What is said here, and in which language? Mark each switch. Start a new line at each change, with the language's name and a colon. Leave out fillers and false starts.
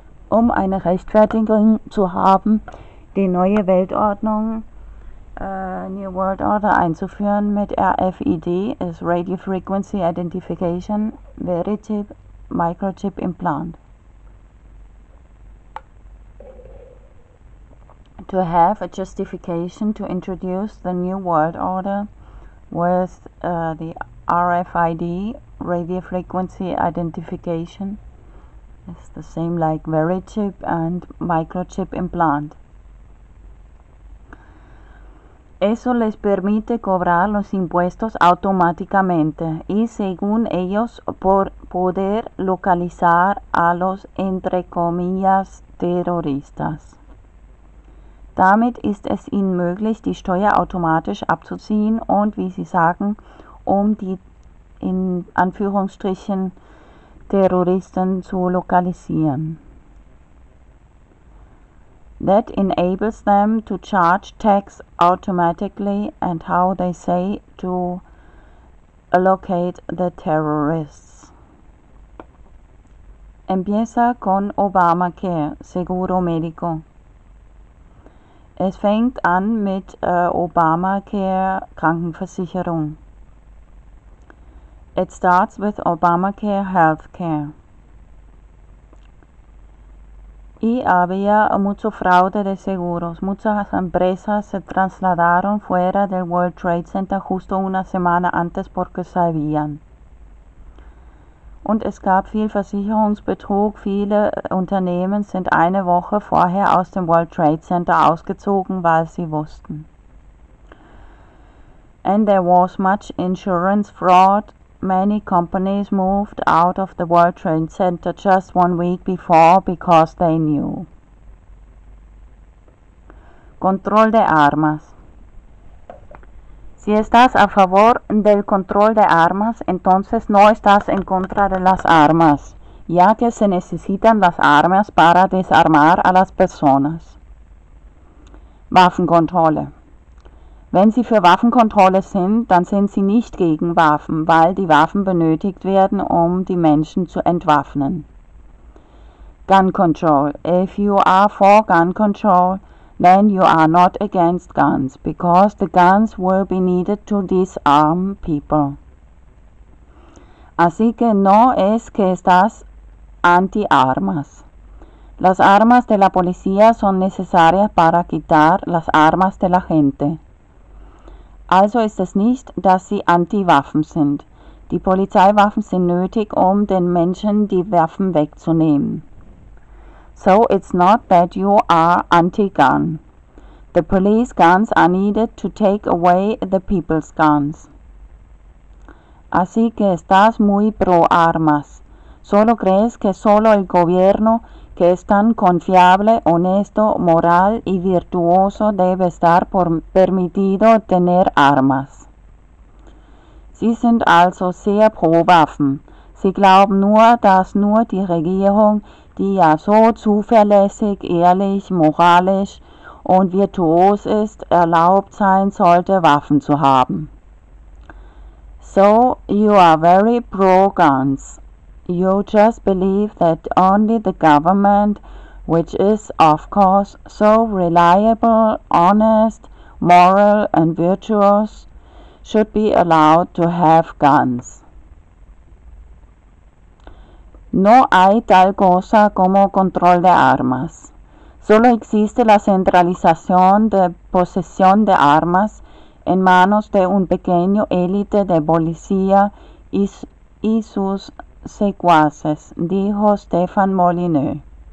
German: Um eine Rechtfertigung zu haben, die neue Weltordnung
English: New World Order
German: einzuführen mit RFID, ist
English: Radio Frequency Identification
German: Verichip Microchip Implant.
English: To have a justification to introduce the New World Order with the RFID, Radio Frequency Identification, it's the same like Verichip and Microchip Implant.
Spanish: Eso les permite cobrar los impuestos automáticamente y según ellos por poder localizar a los entre comillas terroristas.
German: Damit ist es ihnen möglich, die Steuer automatisch abzuziehen und, wie sie sagen, um die in Anführungsstrichen Terroristen zu lokalisieren.
English: That enables them to charge tax automatically and how they say to locate the terrorists.
Spanish: Empieza con Obamacare, seguro médico.
German: Es fängt an mit Obamacare Krankenversicherung.
English: It starts with Obamacare healthcare.
Spanish: Y había mucho fraude de seguros. Muchas empresas se trasladaron fuera del World Trade Center justo una semana antes porque sabían.
German: Und es gab viel Versicherungsbetrug. Viele Unternehmen sind eine Woche vorher aus dem World Trade Center ausgezogen, weil sie wussten.
English: And there was much insurance fraud. Many companies moved out of the World Trade Center just one week before because they knew.
Spanish: Control de armas. Si estás a favor del control de armas, entonces no estás en contra de las armas, ya que se necesitan las armas para desarmar a las personas.
German: Waffenkontrolle. Wenn Sie für Waffenkontrolle sind, dann sind Sie nicht gegen Waffen, weil die Waffen benötigt werden, um die Menschen zu entwaffnen.
English: Gun control. If you are for gun control, then you are not against guns, because the guns will be needed to disarm people.
Spanish: Así que no es que estás anti-armas. Las armas de la policía son necesarias para quitar las armas de la gente.
German: Also ist es nicht, dass sie Anti-Waffen sind. Die Polizeiwaffen sind nötig, um den Menschen die Waffen wegzunehmen.
English: So it's not that you are anti-gun. The police guns are needed to take away the people's guns.
Spanish: Así que estás muy pro armas. Solo crees que solo el gobierno, que es tan confiable, honesto, moral y virtuoso, debe estar permitido tener armas.
German: Sie sind also sehr pro Waffen. Sie glauben nur, dass nur die Regierung, die ja so zuverlässig, ehrlich, moralisch und virtuos ist, erlaubt sein sollte, Waffen zu haben.
English: So, you are very pro guns. You just believe that only the government, which is, of course, so reliable, honest, moral and virtuous, should be allowed to have guns.
Spanish: No hay tal cosa como control de armas. Solo existe la centralización de posesión de armas en manos de un pequeño élite de policía y sus secuaces, dijo Stefan Molyneux.